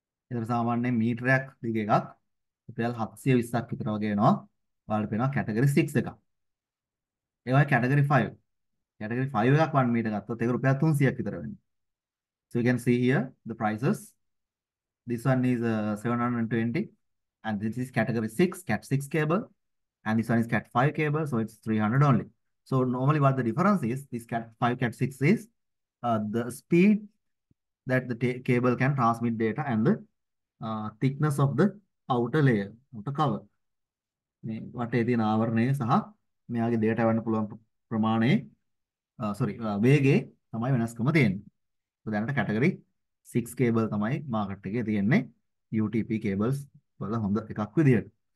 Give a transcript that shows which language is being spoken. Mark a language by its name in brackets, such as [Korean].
[Sinhala] එතන සාමාන්‍යයෙන් මීටරයක් දිග එකක් රුපියල් 720ක් විතර වගේ එනවා. ඔයාලට පේනවා කැටගරි 6 එකක්. ඒවයි කැටගරි 5. Category 5 එකක් 1 meter ගත්තොත් ඒක රුපියල් 300ක් විතර වෙනවා. [English] So you can see here the prices. This one is 720 and this is category 6 cat 6 cable and this one is cat 5 cable, so it's 300 only. So normally what the difference is, this cat 5 cat 6 is the speed that the cable can transmit data and the thickness of the outer layer outer cover. [Sinhala] මේ වටේ තියෙන ආවරණය සහ මෙයාගේ data වන්න පුළුවන් ප්‍රමාණය වේගේ තමයි වෙනස්කම තියෙන්නේ. දැනට කැටගරි සික්ස් කේබල් තමයි මාකට් එකේ තියෙන්නේ UTP කේබල්ස් වල හොඳ එකක් විදියට.